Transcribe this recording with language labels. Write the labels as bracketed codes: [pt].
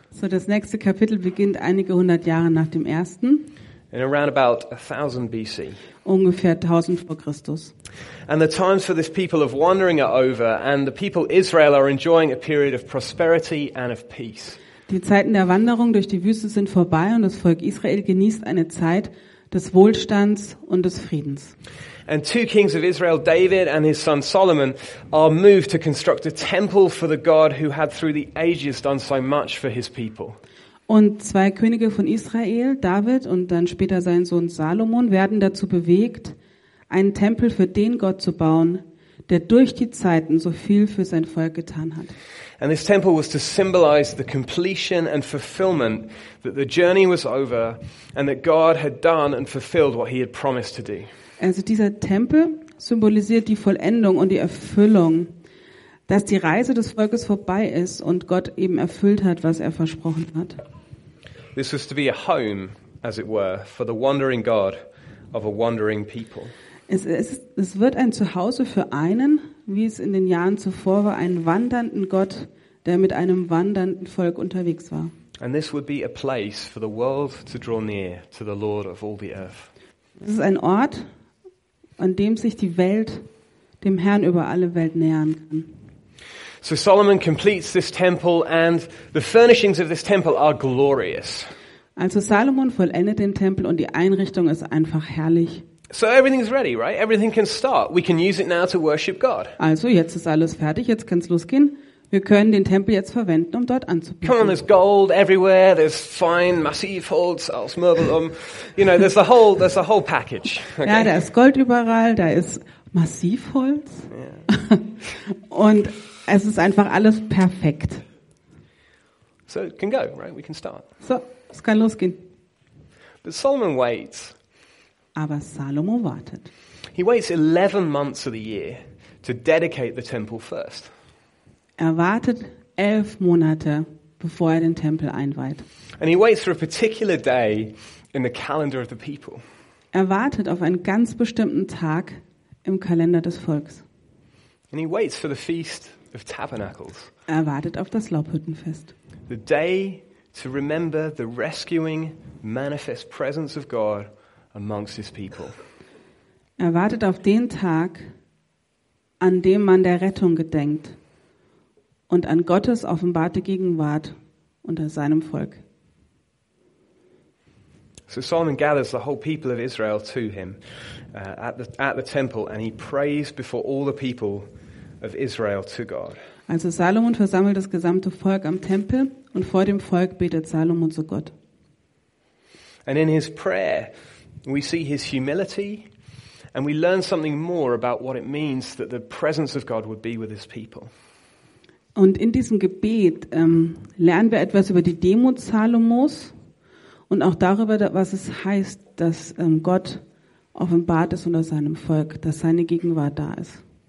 [de] So das nächste Kapitel beginnt einige hundert Jahre nach dem ersten. [en] In around about 1000 BC. [de] Ungefähr 1000 vor Christus. [en] And the times for this people of wandering are over, and the people Israel are enjoying a period of prosperity and of peace. [de] Die Zeiten der Wanderung durch die Wüste sind vorbei und das Volk Israel genießt eine Zeit des Wohlstands und des Friedens. [en] And two kings of Israel, David and his son Solomon, are moved to construct a temple for the God who had through the ages done so much for his people. [de] Und zwei Könige von Israel, David und dann später sein Sohn Salomon, werden dazu bewegt, einen Tempel für den Gott zu bauen, der durch die Zeiten so viel für sein Volk getan hat. [en] And this temple was to symbolize the completion and fulfillment that the journey was over and that God had done and fulfilled what he had promised to do. [de] Also dieser Tempel symbolisiert die Vollendung und die Erfüllung, dass die Reise des Volkes vorbei ist und Gott eben erfüllt hat, was er versprochen hat. [en] This was to be a home, as it were, for the wandering God of a wandering people. [de] Es wird ein Zuhause für einen, wie es in den Jahren zuvor war, einen wandernden Gott, der mit einem wandernden Volk unterwegs war. [en] And this would be a place for the world to draw near to the Lord of all the earth. [de] Es ist ein Ort, an dem sich die Welt dem Herrn über alle Welt nähern kann. [en] So Solomon completes this temple and the furnishings of this temple are glorious. [de] Also Salomon vollendet den Tempel und die Einrichtung ist einfach herrlich. [en] So everything's ready, right? Everything can start. We can use it now to worship God. [de] Also jetzt ist alles fertig, jetzt kann's losgehen. Wir können den Tempel jetzt verwenden, um dort anzubeten. [en] Come on, there's gold everywhere. There's fine, massive [de] holz aus Möbelum. [en] You know, there's the whole package. Okay? [de] Ja, da ist Gold überall, da ist Massivholz. Yeah. Und es ist einfach alles perfekt. [en] So it can go, right? We can start. [de] So, es kann losgehen. [en] But Solomon waits. [de] Aber Salomo wartet. [en] He waits 11 months of the year to dedicate the temple first. [de] Er wartet 11 Monate, bevor er den Tempel einweiht. [en] And he waits for a particular day in the calendar of the people. [de] Er wartet auf einen ganz bestimmten Tag im Kalender des Volks. [en] And he waits for the feast of tabernacles. [de] Er wartet auf das Laubhüttenfest. [en] The day to remember the rescuing manifest presence of God amongst his people. [de] Er wartet auf den Tag, an dem man der Rettung gedenkt und an Gottes offenbarte Gegenwart unter seinem Volk. [en] So Solomon gathers the whole people of Israel to him at the temple and he prays before all the people of Israel to God. [de] Also Salomon versammelt das gesamte Volk am Tempel und vor dem Volk betet Salomon zu Gott. [en] And in his prayer we see his humility and we learn something more about what it means that the presence of God would be with his people. [de] Und in diesem Gebet lernen wir etwas über die Demut Salomos und auch darüber, was es heißt, dass Gott offenbart ist unter seinem Volk, dass seine Gegenwart da ist.